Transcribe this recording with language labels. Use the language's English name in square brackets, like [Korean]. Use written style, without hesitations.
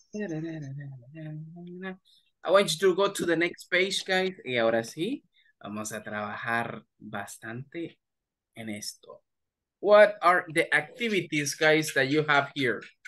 [English] I want you to go to the next page, guys. [Spanish] Y ahora sí, vamos a trabajar bastante en esto. [English] What are the activities, guys, that you have here?